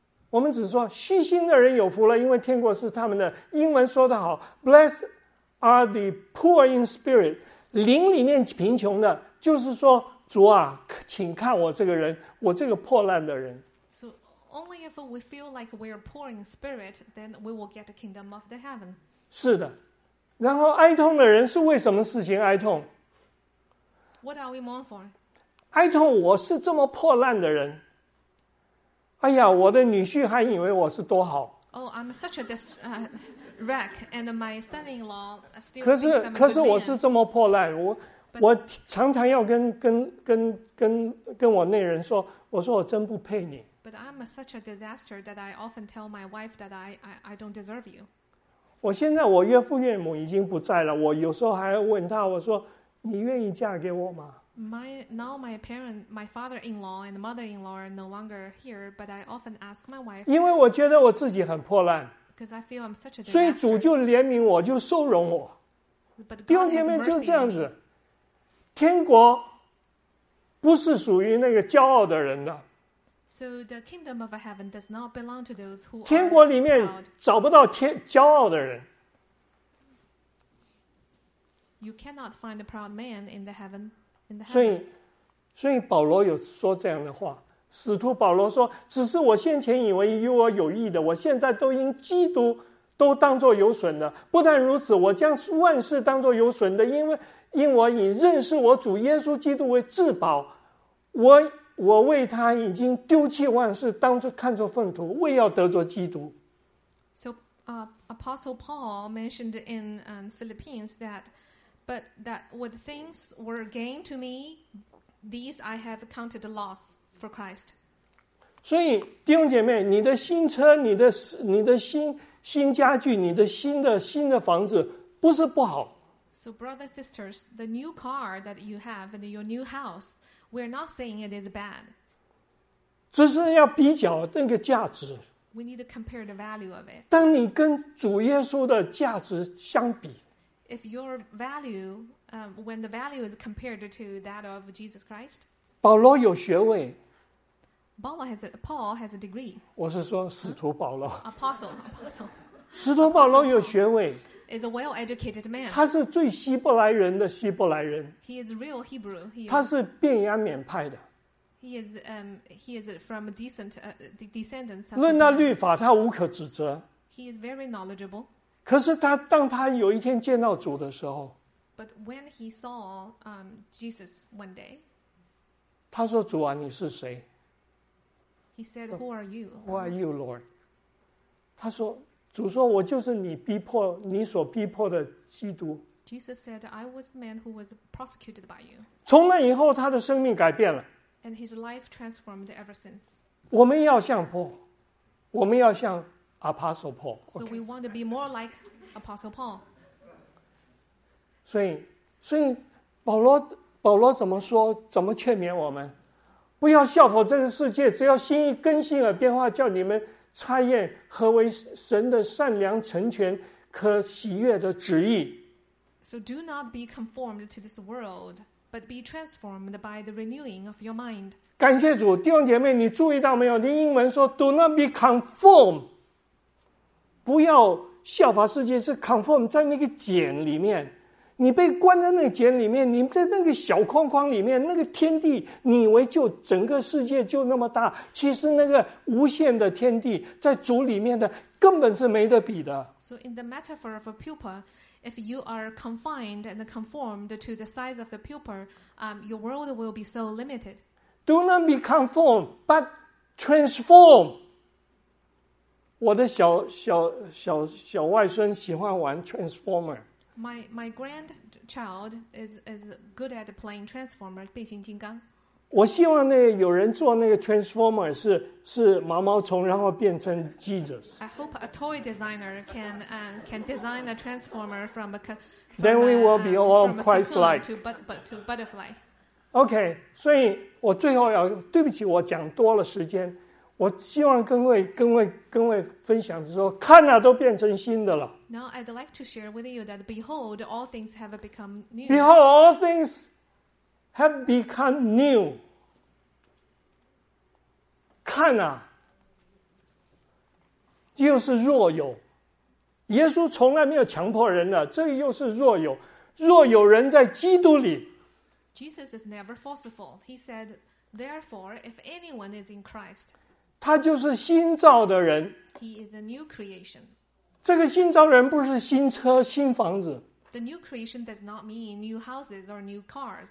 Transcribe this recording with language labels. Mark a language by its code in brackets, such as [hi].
[zh] 我们只说虚心的人有福了，因为天国是他们的。英文说得好 [en] ，Blessed are the poor in spirit. [zh] 灵里面贫穷的，就是说主啊，请看我这个人，我这个破烂的人。 [en] Only if we feel like we are poor in spirit, then we will get the kingdom of the heaven. [zh] 是的，然后哀痛的人是为什么事情哀痛 [en] ？What are we mourn for? [zh] 哀痛，我是这么破烂的人。哎呀，我的女婿还以为我是多好。 [en] Oh, I'm such a wreck, and my son-in-law still thinks I'm a man. [zh] 可是我是这么破烂，我常常要跟我内人说，我说我真不配你。 [en] But I'm such a disaster that I often tell my wife that I don't deserve you. [zh] 我现在我岳父岳母已经不在了，我有时候还问他，我说你愿意嫁给我吗 [en] ？My father-in-law and mother-in-law are no longer here, but I often ask my wife. [zh] 因为我觉得我自己很破烂 [en] ，because I feel I'm such a disaster. [zh] 所以主就怜悯我，就收容我。 [en] But [zh] 弟兄姐妹就这样子，天国不是属于那个骄傲的人的。 [en] So the kingdom of heaven does not belong to those who are [zh] 天国里面找不到骄傲的人。 [en] You cannot find a proud man in the heaven. [zh] 所以保罗有说这样的话。使徒保罗说：“只是我先前以为与我有益的，我现在都因基督都当作有损的。不但如此，我将万事当作有损的，因我以认识我主耶稣基督为至宝，我为他已经丢弃万事，当作看作粪土，为要得着基督。 [en] So, Apostle Paul mentioned in Philippians that what things were gained to me, these I have counted loss for Christ. [zh] 所以弟兄姐妹，你的新车，你的新家具，你的新的房子，不是不好。 [en] So, brothers and sisters, the new car that you have and your new house. We're not saying it is bad. [zh] 只是要比较那个价值。 [en] We need to compare the value of it. [zh] 当你跟主耶稣的价值相比 [en] ，If your value, when the value is compared to that of Jesus Christ, [zh] 保罗有学位。 [en] Paul has a degree. [zh] 我是说使徒保罗。 [en] Apostle. [zh] 使徒保罗有学位。 [en] Is a well-educated man. [zh] 他是最希伯来人的希伯来人。 [en] He is real Hebrew. He is, [zh] 他是便雅悯派的。 [en] He is from decent descendants. [zh] 论到律法，他无可指责。 [en] He is very knowledgeable. [zh] 可是他当他有一天见到主的时候 [en] ，But when he saw Jesus one day, [zh] 他说：“主啊，你是谁 [en] ？”He said, "Who are you? Who are you, Lord?" [zh] 他说。主说：“我就是你所逼迫的基督。” [en] Jesus said, "I was the man who was prosecuted by you." [zh] 从那以后，他的生命改变了。 [en] And his life transformed ever since. [zh] 我们要像 Paul， 我们要像 Apostle Paul。 [en] So we want to be more like Apostle Paul. [zh] 所以保罗怎么说？怎么劝勉我们？不要效法这个世界，只要心意更新而变化，叫你们。查验何为神的善良成全可喜悦的旨意 [en] So do not be conformed to this world but be transformed by the renewing of your mind [zh] 感谢主弟兄姐妹你注意到没有你英文说 [en] Do not be conformed [zh] 不要效法世界是 conform 在那个茧里面，你被关在那个茧里面，你在那个小框框里面，那个天地你以为就整个世界就那么大，其实那个无限的天地在主里面的根本是没得比的。 [en] So in the metaphor of a pupil, if you are confined and conformed to the size of the pupil, your world will be so limited. Do not be conformed, but transform. [zh] 我的小外孙喜欢玩 Transformer。 [en] My grandchild is good at playing Transformer, [zh] 变形金刚。我希望那有人做那个 Transformer 是毛毛虫，然后变成 Jesus。 [en] I hope a toy designer can design a Transformer from a Then we will be all Christ-like. To butterfly. [zh] Okay, 所以我最后要对不起，我讲多了时间。我希望各位分享说，看啊，都变成新的了。 [en] Now I'd like to share with you that behold, all things have become new. Behold, all things have become new. [zh] 看啊，又是若有。耶稣从来没有强迫人的，这又是若有。若有人在基督里 [en] ，Jesus is never forceful. He said, therefore, if anyone is in Christ. [zh] 他就是新造的人。 [en] He is a new creation. [zh] 这个新造人不是新车、新房子。 [en] The new creation does not mean new houses or new cars.